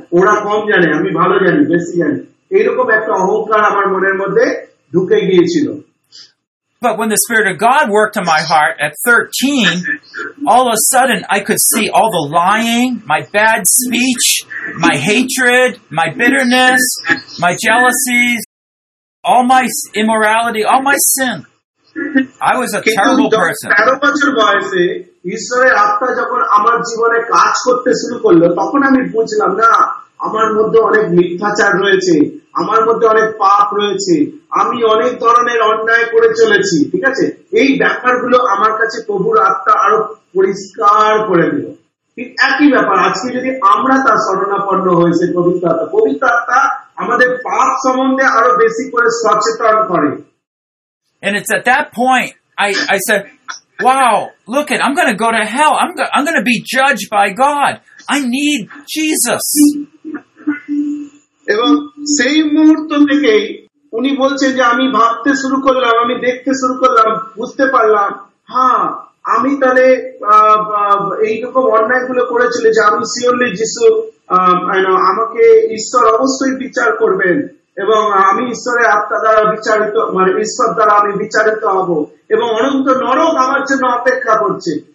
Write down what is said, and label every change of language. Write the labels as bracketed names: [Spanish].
[Bangla] ওরা কম জানে আমি ভালো জানি বেশি জানি, এইরকম একটা অহংকার আমার মনের মধ্যে ঢুকে গিয়েছিল। [English] But when the Spirit of God worked in my heart at 13, all of a sudden I could see all the lying, my bad speech, my hatred, my bitterness, my jealousies, all my immorality, all my sin. I was a terrible person. [Bangla] 13 বছর বয়সে ঈশ্বরের আত্মা যখন আমার জীবনে কাজ করতে শুরু করলো, তখন আমি বুঝলাম না আমার মধ্যে অনেক মিথ্যাচার রয়েছে, আমার মধ্যে অনেক পাপ রয়েছে, আমি অনেক ধরনের অন্যায় করে চলেছি, ঠিক আছে? এই ব্যাপারগুলো আমার কাছে প্রভুর আত্মা আরো পরিষ্কার করে দিল। ঠিক একই ব্যাপার আজকে যদি আমরা তার শরণাপন্ন হয়েছে পবিত্র আত্মা, পবিত্র আত্মা আমাদের পাপ সম্বন্ধে আরো বেশি করে সচেতন করে। [English] And it's at that point I said, wow, look it, I'm going to go to hell. I'm going to be judged by God. I need Jesus. [Bangla] এবং সেই মুহূর্ত থেকেই উনি বলছেন যে আমি ভাবতে শুরু করলাম, আমি দেখতে শুরু করলাম, বুঝতে পারলাম, হ্যাঁ আমি তাহলে এইরকম অন্যায় গুলো করেছিল যে আমি সিওরলি যিশু আমাকে ঈশ্বর অবশ্যই বিচার করবেন এবং আমি ঈশ্বরের আত্মা দ্বারা বিচারিত, মানে ঈশ্বর দ্বারা আমি বিচারিত হব এবং অনন্ত নরক আমার জন্য অপেক্ষা করছে।